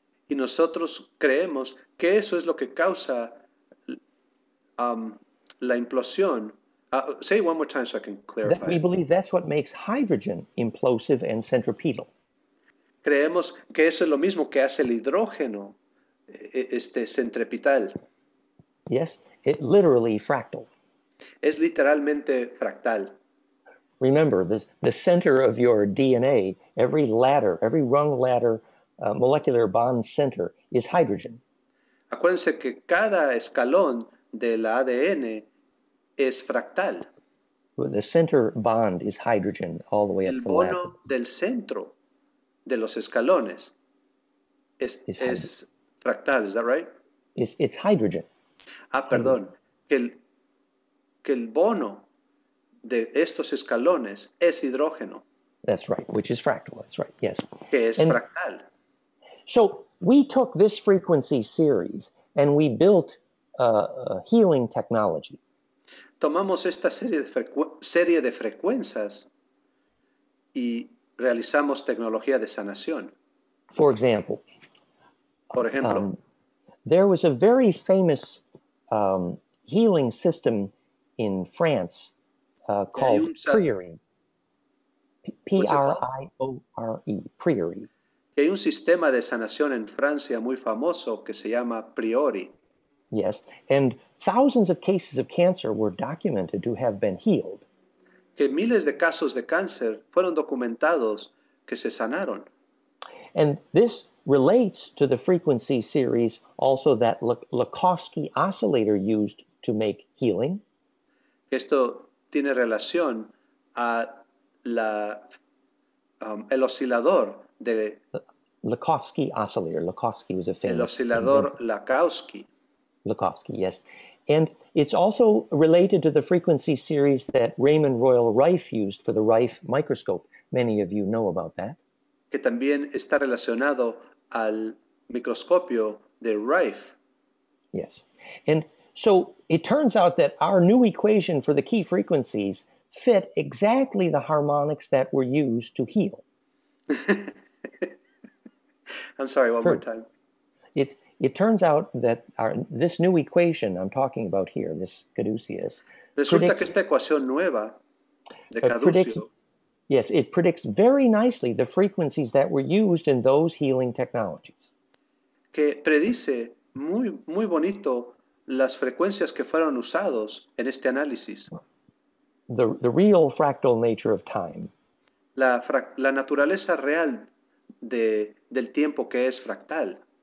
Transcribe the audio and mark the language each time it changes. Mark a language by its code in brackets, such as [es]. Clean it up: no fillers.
[es] Y nosotros creemos que eso es lo que causa la implosión. [en] Say it one more time so I can clarify. That we believe that's what makes hydrogen implosive and centripetal. [es] Creemos que eso es lo mismo que hace el hidrógeno centripetal. [en] Yes, it literally fractal. [es] Es literalmente fractal. [en] Remember, the center of your DNA, every ladder, every rung ladder, molecular bond center is hydrogen. [es] Acuérdense que cada escalón de la ADN es fractal. [en] The center bond is hydrogen all the way [es] el [en] up the ladder. [es] El bono del centro de los escalones es fractal, [en] is that right? It's hydrogen. [es] Ah, perdón, que el bono de estos escalones es hidrógeno. [en] That's right, which is fractal, that's right, yes. [es] Que es and fractal. [en] So we took this frequency series and we built a healing technology. [es] Tomamos esta serie de frecuencias y realizamos tecnología de sanación. [en] For example. [es] Por ejemplo. [en] There was a very famous healing system in France called Priory. P-R-I-O-R-E, Priory. [es] Hay un sistema de sanación en Francia muy famoso que se llama Priory. [en] Yes, and thousands of cases of cancer were documented to have been healed. [es] Que miles de casos de cáncer fueron documentados que se sanaron. [en] And this relates to the frequency series also that Lakowski oscillator used to make healing. [es] Esto tiene relación a el oscilador de [en] Lakowski oscillator. Lakowski was a famous [es] el oscilador Lakowski. [en] Lakowski, yes. And it's also related to the frequency series that Raymond Royal Rife used for the Rife microscope. Many of you know about that. [es] Que también está relacionado al microscopio de Rife. [en] Yes. And so it turns out that our new equation for the key frequencies fit exactly the harmonics that were used to heal. I'm sorry, one more time. It turns out that this new equation I'm talking about here, this caduceus, [es] resulta que esta ecuación nueva de caduceo, [en] yes, it predicts very nicely the frequencies that were used in those healing technologies. [es] Que predice muy muy bonito las frecuencias que fueron usados en este análisis. [en] The real fractal nature of time. [es] La naturaleza real del tiempo que es fractal.